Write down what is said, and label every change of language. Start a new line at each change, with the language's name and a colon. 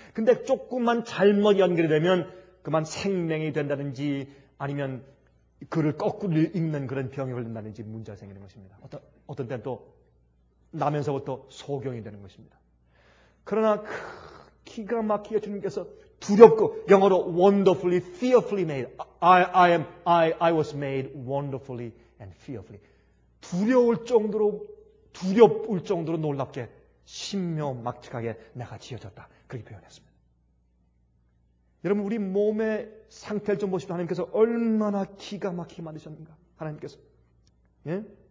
Korean: 근데 조금만 잘못 연결이 되면 그만 생명이 된다든지 아니면 그를 거꾸로 읽는 그런 병이 걸린다든지 문제가 생기는 것입니다. 어떤 때는 또 나면서부터 소경이 되는 것입니다. 그러나 기가 막히게 주님께서 두렵고 영어로
English: wonderfully, fearfully made. I was made wonderfully and fearfully.
Korean: 두려울 정도로 놀랍게 신묘막측하게 내가 지어졌다. 그렇게 표현했습니다. 여러분, 우리 몸의 상태를 좀 보십시오. 하나님께서 얼마나 기가 막히게 만드셨는가. 하나님께서. 예?